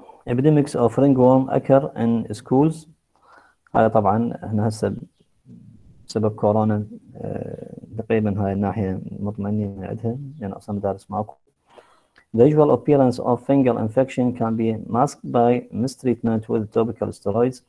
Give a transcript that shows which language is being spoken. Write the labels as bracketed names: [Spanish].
[English] Epidemics of ringworm occur in schools، [Arabic] هذا طبعا احنا هسه سبب كورونا تقريبا هاي الناحية مطمئنين عندها، يعني أصلا مدارس ماكو. [English] The usual appearance of fungal infection can be masked by mistreatment with topical steroids.